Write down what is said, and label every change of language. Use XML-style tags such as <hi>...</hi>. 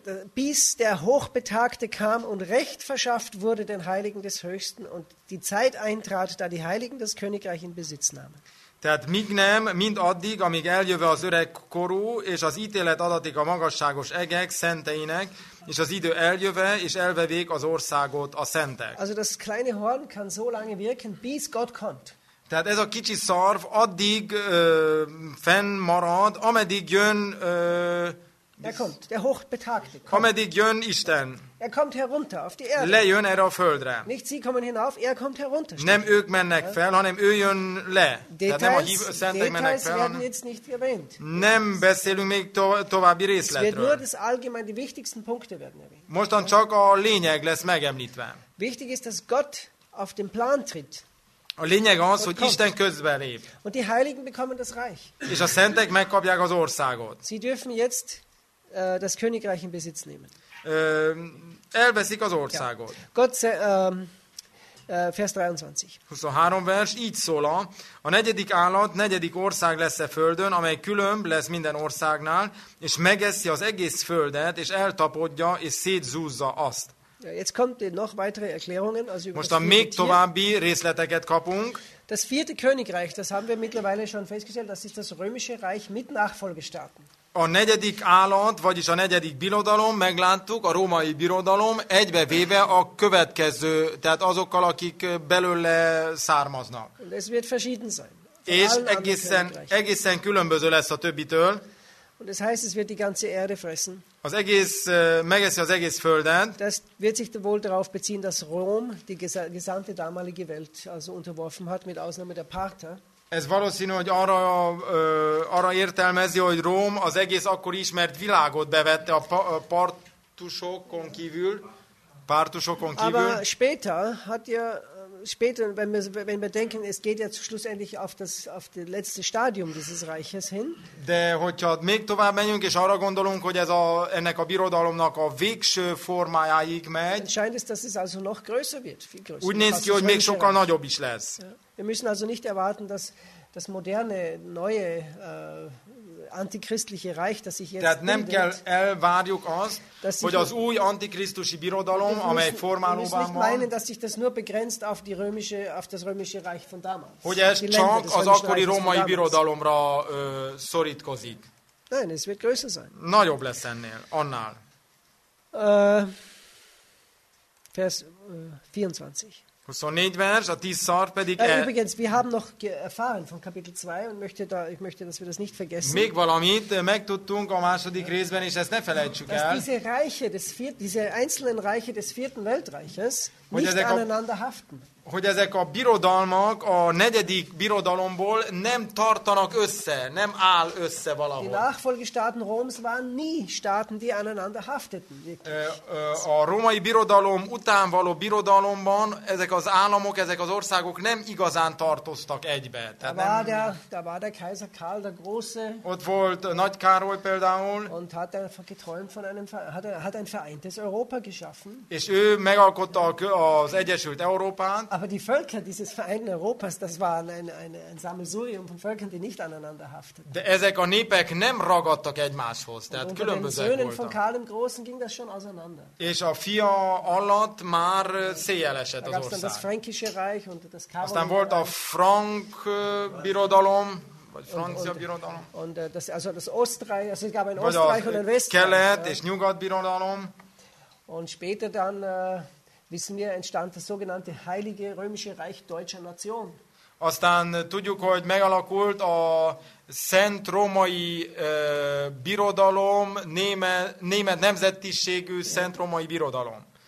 <de>Bis der Hochbetagte kam und Recht verschafft wurde den Heiligen des Höchsten und die Zeit eintrat, da die Heiligen das Königreich in Besitz nahmen.</de> <hu>Tehát míg nem, mind addig, amíg eljöve az öreg korú, és az ítélet adatik a magasságos egek szenteinek, és az idő eljöve, és elvevék az országot a szentek.</hu> <de>Also das kleine Horn kann so lange wirken, bis Gott kommt.</de> <hu>Tehát ez a kicsi szarv addig fennmarad, ameddig jön...</hu> <de>Er kommt, der Hochbetagte.</de> <hu>Ameddig jön Isten.</hu> <de>Er kommt herunter auf die Erde.</de> <hu>Lejön erre a földre.</hu> <de>Nicht sie kommen hinauf, er kommt herunter.</de> <hu>Nem ők mennek fel, hanem ő jön le.</hu> <de>Details werden jetzt nicht erwähnt.</de> <hu>Nem beszélünk még további részletről.</hu> <de>Es wird nur das allgemeine, die wichtigsten Punkte werden erwähnt.</de> <hu>Mostan csak a lényeg lesz megemlítve.</hu> <de>Wichtig ist, dass Gott auf den Plan tritt.</de> <hu>A lényeg az, hogy Isten közben lép.</hu> <de>Und die Heiligen bekommen das Reich.</de> <hu>És a szentek megkapják az országot.</hu> <de>Sie dürfen jetzt das Königreich in Besitz nehmen.</de> <hu>Elveszik az országot.</hu> <de>Ja. Gott, Vers 23.</de> <hu>23 vers, így szól: a negyedik állat negyedik ország lesz a földön, amely különb lesz minden országnál, és megeszi az egész földet, és eltapodja, és szétzúzza azt.</hu> <de>Ja, jetzt kommt noch weitere Erklärungen. Also</de> <hu>most a még további részleteket kapunk.</hu> <de>Das vierte Königreich, das haben wir mittlerweile schon festgestellt, das ist das Römische Reich mit Nachfolgestaaten.</de> <hu>A negyedik állat, vagyis a negyedik birodalom, megláttuk, a római birodalom, egybevéve a következő, tehát azokkal, akik belőle származnak.</hu> <de>Es wird verschieden sein.</de> <hu>És egészen különböző lesz a többitől.</hu> <de>Und es heißt, es wird die ganze Erde fressen.</de> <hu>Az egész, megeszi az egész földet.</hu> <de>Das wird sich wohl darauf beziehen, dass Rom die gesamte damalige Welt also unterworfen hat, mit Ausnahme der Parther.</de> <hu>Ez valószínű, hogy arra értelmezi, hogy Róm az egész akkor ismert világot bevette a partusokon kívül.</hu> <de>Aber später hat ja später, wenn wir denken, es geht ja schlussendlich auf das letzte Stadium dieses Reiches hin.</de> <hu>De hogyha még tovább menjünk és arra gondolunk, hogy ennek a birodalomnak a végső formájáig megy.</hu> <de>Scheint es, dass es also noch größer wird, viel größer.</de> <hu>Úgy néz ki, hogy még sokkal nagyobb is lesz.</hu> <de>Wir müssen also nicht erwarten, dass das moderne, neue antichristliche Reich, das sich jetzt</de> <hu>tehát nem bindet, kell elvárjuk azt, hogy az új antikrisztusi birodalom, amely formálóban van,</hu> <de>dass sich das nur begrenzt auf die römische, auf das römische Reich von damals.</de> <hu>Hogy ez csak az akkori római birodalomra szorítkozik.</hu> <de>Nein, es wird größer sein.</de> <hu>Nagyobb lesz ennél, annál.</hu> <de>Vers 24. Übrigens, wir haben noch erfahren von Kapitel 2 und ich möchte, dass wir das nicht vergessen.</de> <hu>Még valamit megtudtunk a második részben, és ezt ne felejtsük el.</hu> <de>Dass diese einzelnen Reiche des vierten Weltreiches nicht aneinander haften.</de> <hu>Hogy ezek a birodalmak a negyedik birodalomból nem tartanak össze, nem áll össze valahol.</hu> <de>Die Nachfolgestaaten Roms waren nie Staaten, die aneinander hafteten.</de> <hu>A római birodalom után való birodalomban ezek az államok, ezek az országok nem igazán tartoztak egybe.</hu> <de>Da war der Kaiser Karl der Große.</de> <hu>Ott volt Nagy Károly például.</hu> <de>Und hat er geträumt von einem, hat ein vereintes Europa geschaffen.</de> <hu>És ő megalkotta az Egyesült Európát.</hu> <de>Aber die Völker dieses vereinten Europas, das waren ein Sammelsurium von Völkern, die nicht aneinander hafteten.</de> <hu>De ezek a népek nem ragadtak egymáshoz, tehát különbözőek voltak.</hu> <de>Und den Söhnen von Karl dem Großen ging das schon auseinander.</de> <hu>És a fia alatt már széjjel esett az ország.</hu> <de>Aztán das fränkische Reich und das Karolingische.</de> <hu>Aztán volt a frank birodalom, vagy francia birodalom. Kelet és nyugat birodalom.</hu> <de>Und später dann wissen wir, entstand das sogenannte Heilige Römische Reich Deutscher Nation.</de> <hu>Aztán tudjuk, hogy megalakult a Szent Római Birodalom, német nemzetiségű Szent Római Birodalom.</hu>